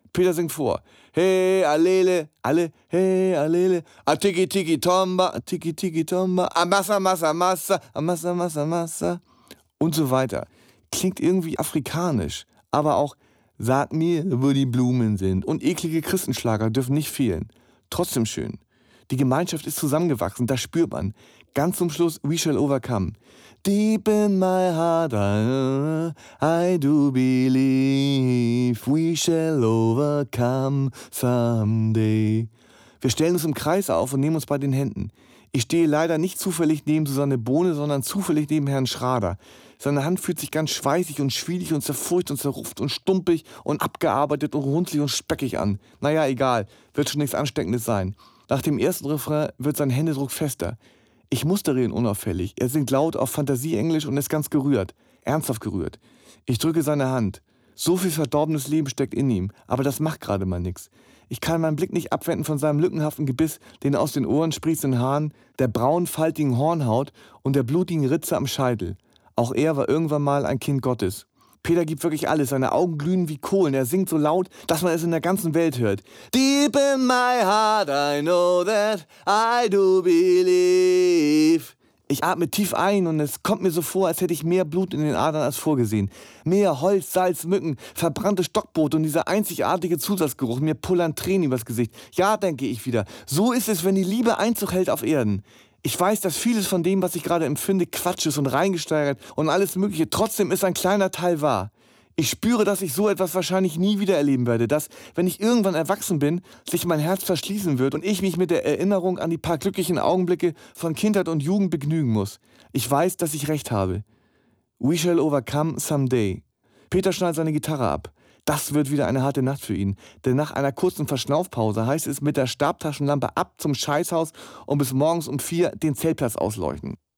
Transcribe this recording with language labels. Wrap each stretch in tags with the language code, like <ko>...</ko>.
<de>Peter singt vor. Hey, Alele, alle, hey, Alele, a tiki tiki tomba, a tiki tiki tomba, a massa massa massa, a massa massa massa. Und so weiter. Klingt irgendwie afrikanisch, aber auch sag mir, wo die Blumen sind. Und eklige Christenschlager dürfen nicht fehlen. Trotzdem schön. Die Gemeinschaft ist zusammengewachsen, das spürt man. Ganz zum Schluss,</de> <en>we shall overcome. Deep in my heart, I do believe we shall overcome someday.</en> <de>Wir stellen uns im Kreis auf und nehmen uns bei den Händen. Ich stehe leider nicht zufällig neben Susanne Bohne, sondern zufällig neben Herrn Schrader. Seine Hand fühlt sich ganz schweißig und schwielig und zerfurcht und zerruft und stumpig und abgearbeitet und runzlig und speckig an. Naja, egal, wird schon nichts Ansteckendes sein. Nach dem ersten Refrain wird sein Händedruck fester. Ich mustere ihn unauffällig. Er singt laut auf Fantasieenglisch und ist ganz gerührt. Ernsthaft gerührt. Ich drücke seine Hand. So viel verdorbenes Leben steckt in ihm. Aber das macht gerade mal nichts. Ich kann meinen Blick nicht abwenden von seinem lückenhaften Gebiss, den aus den Ohren sprießenden Haaren, der braunen, faltigen Hornhaut und der blutigen Ritze am Scheitel. Auch er war irgendwann mal ein Kind Gottes. Peter gibt wirklich alles. Seine Augen glühen wie Kohlen. Er singt so laut, dass man es in der ganzen Welt hört.</de> <en>Deep in my heart, I know that I do believe.</en> <de>Ich atme tief ein und es kommt mir so vor, als hätte ich mehr Blut in den Adern als vorgesehen. Mehr Holz, Salz, Mücken, verbrannte Stockbrot und dieser einzigartige Zusatzgeruch. Mir pullern Tränen übers Gesicht. Ja, denke ich wieder. So ist es, wenn die Liebe Einzug hält auf Erden. Ich weiß, dass vieles von dem, was ich gerade empfinde, Quatsch ist und reingesteigert und alles Mögliche. Trotzdem ist ein kleiner Teil wahr. Ich spüre, dass ich so etwas wahrscheinlich nie wieder erleben werde. Dass, wenn ich irgendwann erwachsen bin, sich mein Herz verschließen wird und ich mich mit der Erinnerung an die paar glücklichen Augenblicke von Kindheit und Jugend begnügen muss. Ich weiß, dass ich recht habe.</de> <en>We shall overcome someday.</en> <de>Peter schnallt seine Gitarre ab. Das wird wieder eine harte Nacht für ihn. Denn nach einer kurzen Verschnaufpause heißt es mit der Stabtaschenlampe ab zum Scheißhaus und bis morgens um 4 den Zeltplatz ausleuchten.</de>